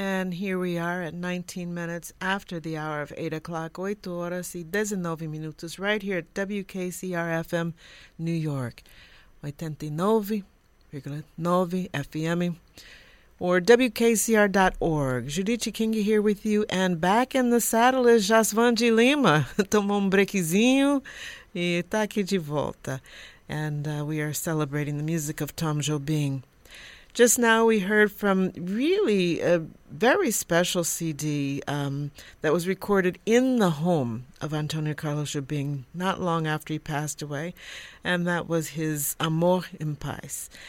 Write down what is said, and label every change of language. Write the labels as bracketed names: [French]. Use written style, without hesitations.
[English] Here we are at 19 minutes after the hour of 8 o'clock, [Spanish] 8 horas y 19 minutos, [English] right here at WKCR-FM, New York, 89.9 FM, or WKCR.org. Judith Kinga here with you, and back in the saddle is Jasvanji Lima. [Portuguese] Tomou brequezinho e tá aqui de volta. [English] And we are celebrating the music of Tom Jobim. Just now we heard from really a very special CD that was recorded in the home of Antonio Carlos Jobim not long after he passed away, and that was his Amor en Paz.